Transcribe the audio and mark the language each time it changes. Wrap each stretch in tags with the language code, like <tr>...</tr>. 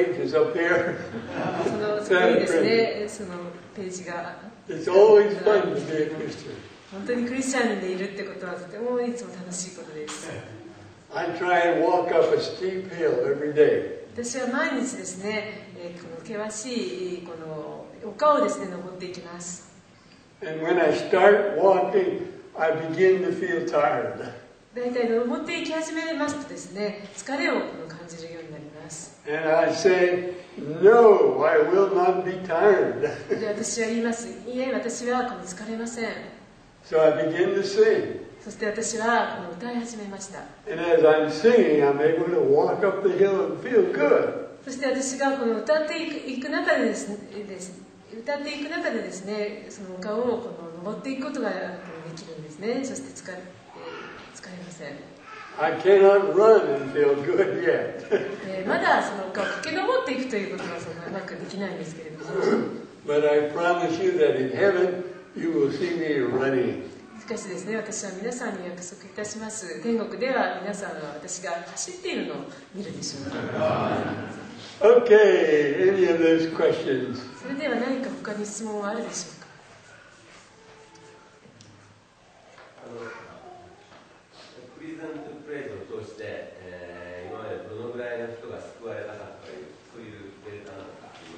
<en>It's always fun to be a Christian.</en> <ja>本当にクリスチャンでいるってことはとてもいつも楽しいことです。</ja> <en>I try and walk up a steep hill every day.</en> <ja>私は毎日ですね、この険しいこの丘をですね、登っていきます。</ja> <en>And when I start walking, I begin to feel tired.</en> <ja>だいたい登っていき始めますとですね、疲れを感じるようになります。</ja> <en>And I say, no, I will not be tired.</en> <ja>で、私は言います。いえ、私はこの疲れません。</ja> <en>So I begin to sing.</en> <ja>そして私はこの歌い始めました。</ja> <en>And as I'm singing, I'm able to walk up the hill and feel good.</en> <ja>そして私がこの歌っていく中でですね、その丘をこの登っていくことができるんですね。そして疲れません。</ja> <en>I cannot run and feel good yet.</en> <ja>まだその丘を駆け登っていくということはそんなうまくできないんですけれども。</ja> <en>But I promise you that in heaven, you will see me running.</en> <ja>しかしですね、私は皆さんに約束いたします。天国では皆さんは私が走っているのを見るでしょう。</ja> <en>OK, any of those questions?</en> <ja>それでは何か他に質問はあるでしょうか。プリズンとプレイズを通して、今までどのぐらいの人が救われたかというそういうデータなのか。</ja>